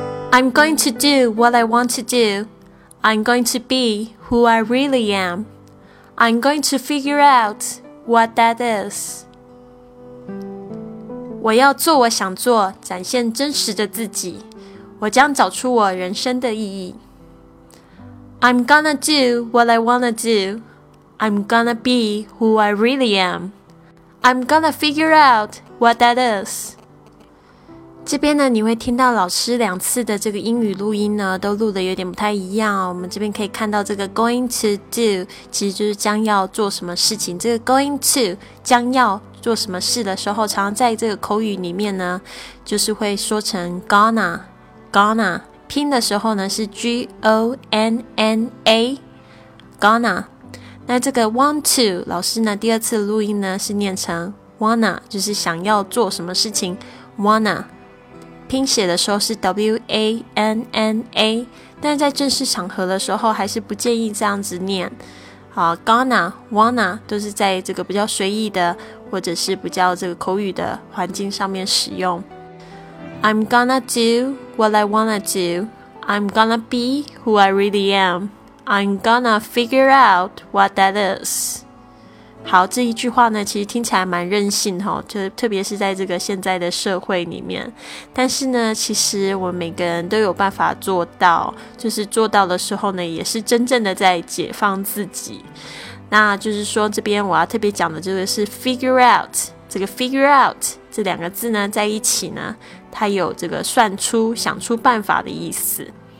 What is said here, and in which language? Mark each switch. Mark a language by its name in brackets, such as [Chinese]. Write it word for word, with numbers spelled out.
[English] I'm going to do what I want to do. I'm going to be who I really am. I'm going to figure out what that is. [Chinese] 我要做我想做，展现真实的自己。我将找出我人生的意义。 [English] I'm gonna do what I wanna do. I'm gonna be who I really am. I'm gonna figure out what that is. [Chinese] 这边呢，你会听到老师两次的这个英语录音呢，都录的有点不太一样哦。我们这边可以看到这个 [English] going to do [Chinese] 其实就是将要做什么事情，这个 going to 将要做什么事的时候，常常在这个口语里面呢，就是会说成 gonna gonna 拼的时候呢是 G O N N A gonna。那这个 want to 老师呢第二次录音呢是念成 wanna， 就是想要做什么事情 wanna， 拼写的时候是 W A N N A， 但是在正式场合的时候还是不建议这样子念。好 gonna wanna 都是在这个比较随意的或者是比较这个口语的环境上面使用。 [English] I'm gonna do what I wanna do. I'm gonna be who I really am. I'm gonna figure out what that is. [Chinese] 好，这一句话呢，其实听起来蛮任性齁，就特别是在这个现在的社会里面。但是呢，其实我们每个人都有办法做到，就是做到的时候呢，也是真正的在解放自己。那就是说，这边我要特别讲的这个是 figure out， 这个 figure out 这两个字呢，在一起呢，它有这个算出、想出办法的意思。